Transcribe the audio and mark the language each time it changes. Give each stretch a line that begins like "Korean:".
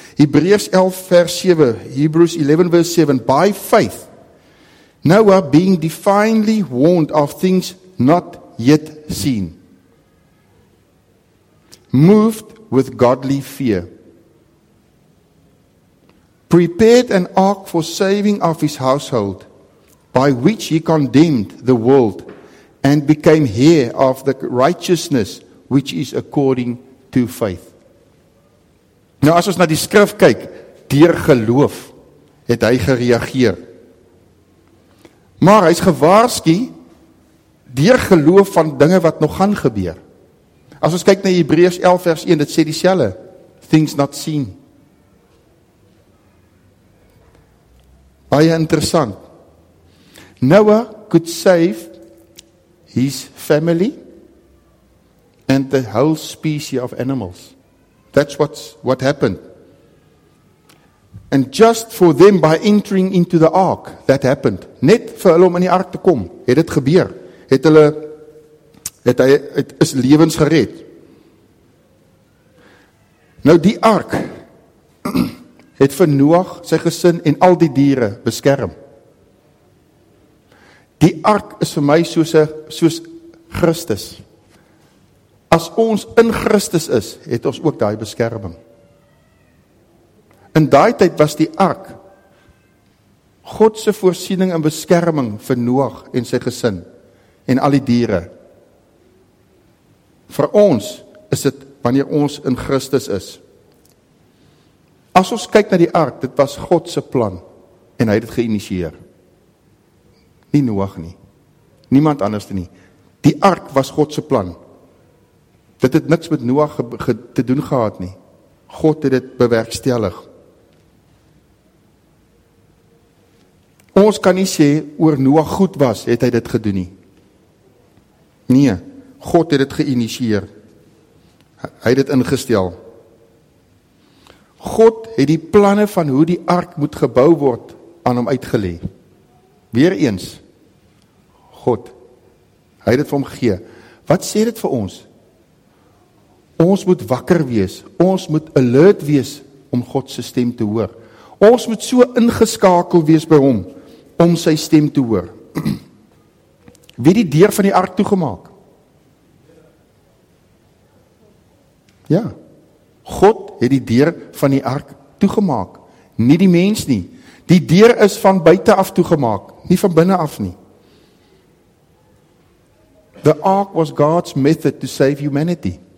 English: Hebreërs 11 vers 7, Hebrews 11 vers 7, by faith Noah being divinely warned of things not yet seen, moved with godly fear, prepared an ark for saving of his household, by which he condemned the world and became heir of the righteousness which is according to faith.
Afrikaans: Nou as ons na die skrif kyk, deur geloof het hy gereageer. Maar hy's gewaarsku deur geloof van dinge wat nog gaan gebeur. As ons kyk na Hebreërs 11 vers 1, dit sê dieselfde.
English: Things not seen.
Afrikaans: Baie interessant.
English: Noah could save his family and the whole species of animals. That's what happened. And just for them by entering into the ark, that happened.
Afrikaans: Net vir hulle om in die ark te kom, het dit gebeur. Het hulle, het hy, het is lewens gered. Nou die ark het vir Noag, sy gesin en al die diere beskerm. Die ark is vir my soos Christus. As ons in Christus is, het ons ook daai beskerming. In daai tyd was die ark God se voorsiening en beskerming vir Noag en sy gesin en al die diere. Vir ons is dit wanneer ons in Christus is. As ons kyk na die ark, dit was God se plan en hy het dit geïnisieer. Nie Noag nie. Niemand anders nie. Die ark was God se plan. Dit het niks met Noag te doen gehad nie. God het dit bewerkstellig. Ons kan nie sê oor Noag goed was, het hy dit gedoen nie. Nee, God het dit geïnisieer. Hy het dit ingestel. God het die planne van hoe die ark moet gebou word aan hom uitgelê. Weereens, God, hy het dit vir hom gegee. Wat sê dit vir ons? Ons moet wakker wees, ons moet alert wees om God se stem te hoor. Ons moet so ingeskakel wees by hom, om sy stem te hoor. Wie die deur van die ark toegemaak? Ja, God het die deur van die ark toegemaak, nie die mens nie. Die deur is van buite af toegemaak, nie van binne af nie.
English: The ark was God's method to save humanity.